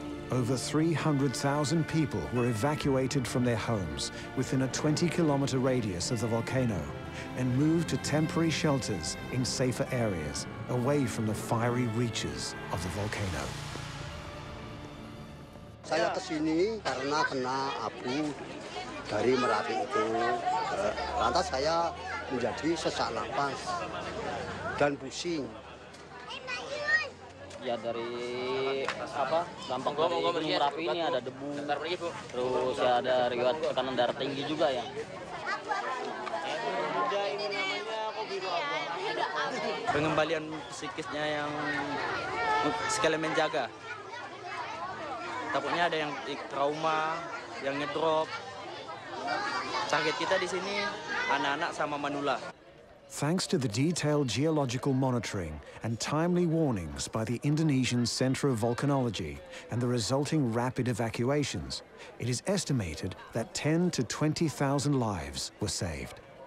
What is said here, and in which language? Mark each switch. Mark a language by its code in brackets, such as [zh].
[en] Over 300,000 people were evacuated from their homes within a 20-kilometer radius of the volcano and moved to temporary shelters in safer areas away from the fiery reaches of the volcano. [id] Saya kesini karena kena abu dari Merapi itu. Lantas saya menjadi sesak napas dan pusing. Ya dari apa dampak dari gunung Merapi ini ada debu, terus ya ada riwayat tekanan darah tinggi juga ya. Pengembalian psikisnya yang sekali menjaga, takutnya ada yang trauma, yang ngedrop. Target kita di sini anak-anak sama manula. [en] Thanks to the detailed geological monitoring and timely warnings by the Indonesian Center of Volcanology and the resulting rapid evacuations, it is estimated that 10 to 20,000 lives were saved.